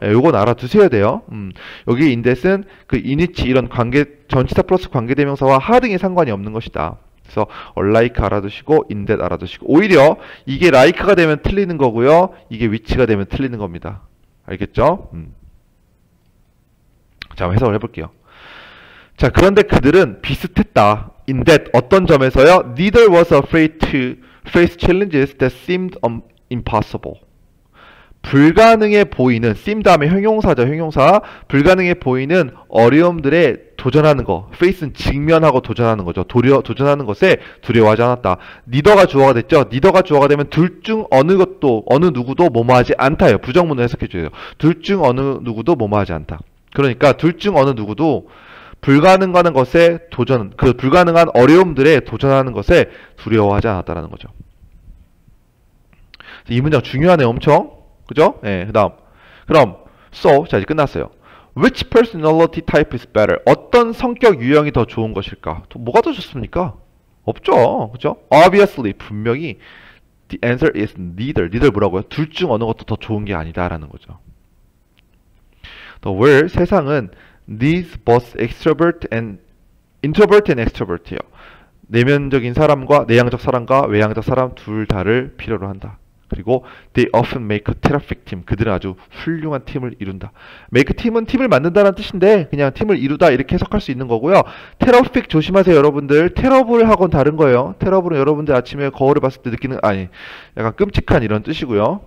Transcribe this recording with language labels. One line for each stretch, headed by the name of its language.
Korean: 예, 요건 알아두셔야 돼요. 여기 인댓은 그 이니치 이런 관계 전치사 플러스 관계대명사와 하등의 상관이 없는 것이다. 그래서 얼라이크 알아두시고 인댓 알아두시고 오히려 이게 라이크가 되면 틀리는 거고요. 이게 위치가 되면 틀리는 겁니다. 알겠죠? 자, 해석을 해볼게요. 자, 그런데 그들은 비슷했다. 인댓 어떤 점에서요?
English: Neither was afraid to face challenges that seemed impossible.
Korean: 불가능해 보이는, seem 다음에 형용사죠, 형용사. 불가능해 보이는 어려움들에 도전하는 거. face는 직면하고 도전하는 거죠. 도전하는 것에 두려워하지 않았다. 니더가 주어가 됐죠? 니더가 주어가 되면 둘중 어느 것도, 어느 누구도 뭐뭐하지 않다예요. 부정문을 해석해 줘요. 둘중 어느 누구도 뭐뭐하지 않다. 그러니까 둘중 어느 누구도 불가능한 것에 도전, 그 불가능한 어려움들에 도전하는 것에 두려워하지 않았다라는 거죠. 이 문장 중요하네요, 엄청. 그죠? 예, 그 다음. 그럼, so, 자, 이제 끝났어요.
English: Which personality type is better?
Korean: 어떤 성격 유형이 더 좋은 것일까? 뭐가 더 좋습니까? 없죠. 그죠?
English: Obviously,
Korean: 분명히,
English: The answer is neither. neither
Korean: 뭐라고요? 둘중 어느 것도 더 좋은 게 아니다라는 거죠.
English: The world,
Korean: 세상은
English: needs both extrovert and introvert and extrovert예요.
Korean: 내면적인 사람과 내향적 사람과 외향적 사람 둘 다를 필요로 한다. 그리고
English: they often make a terrific team.
Korean: 그들은 아주 훌륭한 팀을 이룬다. make 팀은 팀을 만든다는 뜻인데 그냥 팀을 이루다 이렇게 해석할 수 있는 거고요. terrific 조심하세요, 여러분들. 테러블 하고는 다른 거예요. 테러블은 여러분들 아침에 거울을 봤을 때 느끼는 아니 약간 끔찍한 이런 뜻이고요.